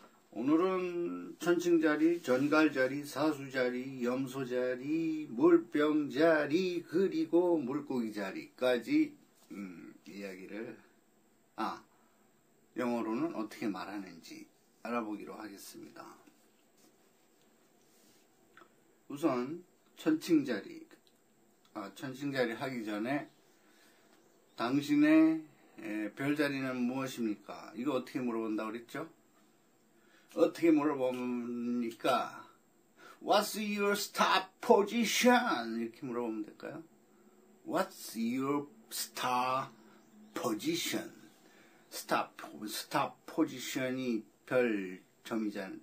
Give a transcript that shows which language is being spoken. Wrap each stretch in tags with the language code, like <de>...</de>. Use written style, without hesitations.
<ko>오늘은 천칭자리, 전갈자리, 사수자리, 염소자리, 물병자리, 그리고 물고기자리까지 이야기를 영어로는 어떻게 말하는지 알아보기로 하겠습니다. 우선 천칭자리 하기 전에 당신의 별자리는 무엇입니까? 이거 어떻게 물어본다 그랬죠? 어떻게 물어봅니까?</ko> <en>What's your star position?</en> <ko>이렇게 물어보면 될까요?</ko> <en>What's your star position?</en> <ko>Star position이 별점이잖아요.</ko>